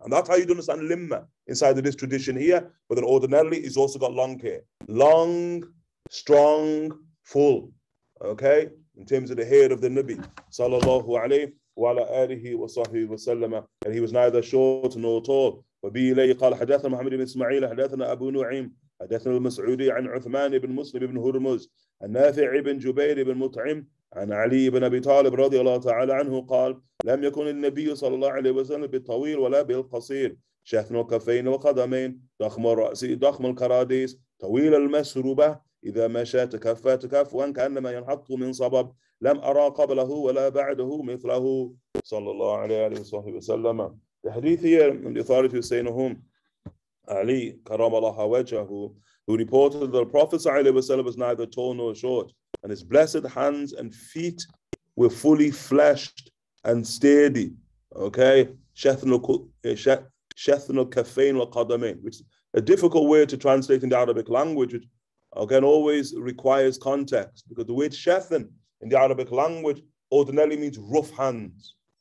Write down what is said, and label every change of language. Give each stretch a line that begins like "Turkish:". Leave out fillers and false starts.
English: And that's how you understand limma inside of this tradition here, but then ordinarily he's also got long hair. Long, strong, full, okay? In terms of the hair of the Nabi, sallallahu alayhi wa alihi wa sahbihi wa sallam, and he was neither short nor tall.
Arabic: وَبِي إِلَيْهِ قَالَ حَدَثَنَا مُحَمَّدِ بِنِ إِسْمَعِيلَ حَدَثَنَا أَبُو نُعِيمٍ حدثنا المسعودي عن عثمان بن مسلم بن هرمز النافع بن جبير بن مطعم عن علي بن أبي طالب رضي الله تعالى عنه قال لم يكن النبي صلى الله عليه وسلم بالطويل ولا بالقصير شثن كفين وقدمين ضخم رأسي ضخم الكراديس طويل المسروبة إذا مشى تكفى تكف وأن كأنما ينحط من صبب لم أرى قبله ولا بعده مثله صلى الله عليه وسلم. تحديثي من إثارة سينهم
English: Ali, Karamallaha Wajahu, who reported that the Prophet ﷺ was neither tall nor short, and his blessed hands and feet were fully fleshed and sturdy. Okay? Shethnu kafein wa qadamein, which is a difficult word to translate in the Arabic language, which again always requires context, because the word shethn in the Arabic language ordinarily means rough hands.